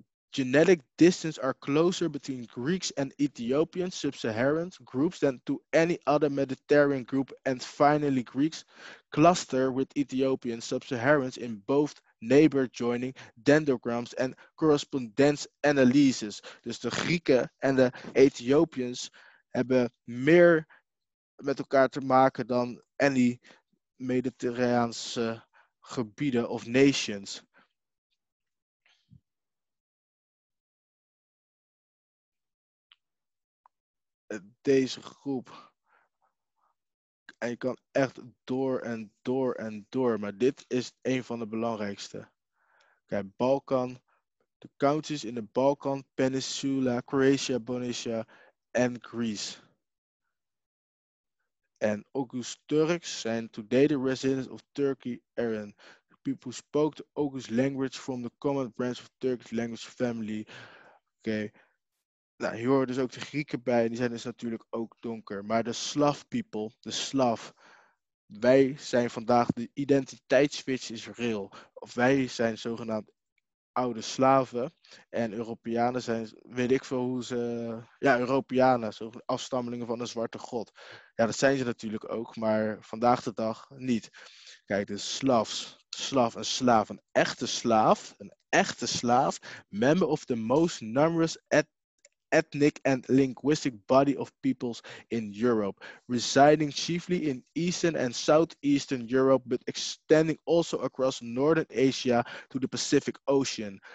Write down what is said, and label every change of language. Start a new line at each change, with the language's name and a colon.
English: Genetic distance are closer between Greeks and Ethiopian sub-Saharan groups than to any other Mediterranean group. And finally, Greeks cluster with Ethiopian sub-Saharans in both neighbor joining dendrograms and correspondence analyses.
Dutch: Dus de Grieken en de Ethiopiërs hebben meer met elkaar te maken dan any Mediterraanse gebieden of nations. Deze groep. En je kan echt door en door en door. Maar dit is een van de belangrijkste. Kijk, Balkan. De countries in de Balkan. Peninsula, Croatia, Bonicia en Greece.
English: En August Turks zijn today the residents of Turkey Aryan. People who spoke the August language from the common branch of Turkish language family. Okay.
Dutch: Nou, hier horen dus ook de Grieken bij. Die zijn dus natuurlijk ook donker. Maar de Slav people, de Slav. Wij zijn vandaag, de identiteitsswitch is real. Of wij zijn zogenaamd oude slaven. En Europeanen zijn, weet ik veel hoe ze... Ja, Europeanen, afstammelingen van een zwarte god. Ja, dat zijn ze natuurlijk ook, maar vandaag de dag niet. Kijk, de Slavs, slaaf, een slaaf, een echte slaaf. Een echte slaaf,
English: member of the most numerous ethnic and linguistic body of peoples in Europe, residing chiefly in Eastern and Southeastern Europe, but extending also across Northern Asia to the Pacific Ocean.